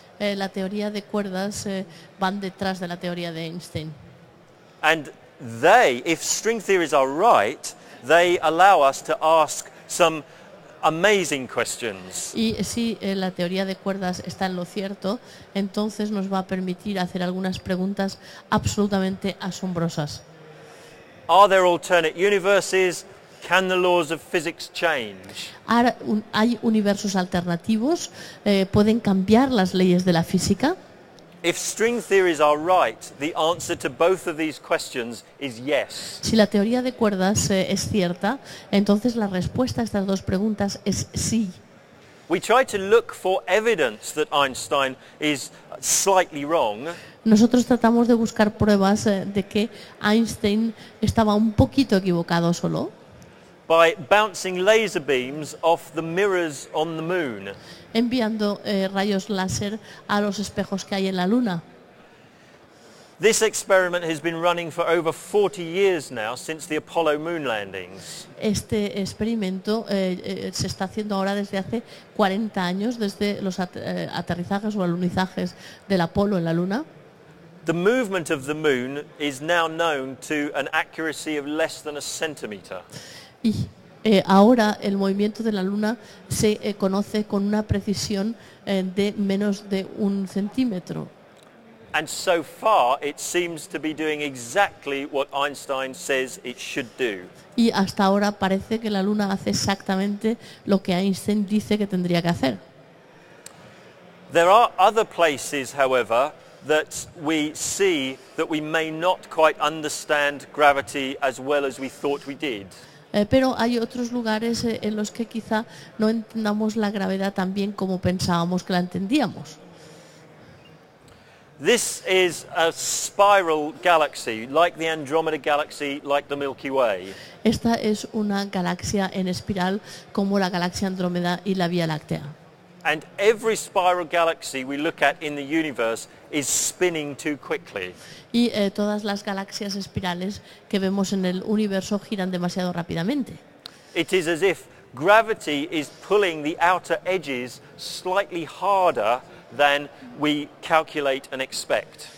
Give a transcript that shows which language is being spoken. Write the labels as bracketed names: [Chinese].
[Spanish] La teoría de cuerdas van detrás de la teoría de Einstein. [English] And they, if string theories are right, they allow us to ask some amazing questions. [Spanish] Y si la teoría de cuerdas está en lo cierto, entonces nos va a permitir hacer algunas preguntas absolutamente asombrosas. [English] Are there alternate universes? Can the laws of physics change? [Spanish] ¿Hay universos alternativos? ¿Pueden cambiar las leyes de la física? [English] If string theories are right, the answer to both of these questions is yes. [Spanish] Si la teoría de cuerdas es cierta, entonces la respuesta a estas dos preguntas es sí. [English] We try to look for evidence that Einstein is slightly wrong. [Spanish] Nosotros tratamos de buscar pruebas de que Einstein estaba un poquito equivocado solo. [English] By bouncing laser beams off the mirrors on the moon. [Spanish] Enviando rayos láser a los espejos que hay en la luna. [English] This experiment has been running for over 40 years now since the Apollo moon landings. [Spanish] Este experimento se está haciendo ahora desde hace 40 años desde los aterrizajes o alunizajes del Apolo en la luna. [English] The movement of the moon is now known to an accuracy of less than a centimeter. [Spanish] Y ahora el movimiento de la Luna se conoce con una precisión de menos de un centímetro. [English] And so far it seems to be doing exactly what Einstein says it should do. [Spanish] Y hasta ahora parece que la Luna hace exactamente lo que Einstein dice que tendría que hacer. [English] There are other places, however, that we see that we may not quite understand gravity as well as we thought we did. [Spanish] Pero hay otros lugares en los que quizá no entendamos la gravedad tan bien como pensábamos que la entendíamos. [English] This is a spiral galaxy, like the Andromeda galaxy, like the Milky Way. [Spanish] Esta es una galaxia en espiral como la galaxia Andrómeda y la Vía Láctea. [English] And every spiral galaxy we look at in the universe is spinning too quickly. [Spanish] Y todas las galaxias espirales que vemos en el universo giran demasiado rápidamente. [English] It is as if gravity is pulling the outer edges slightly harder than we calculate and expect.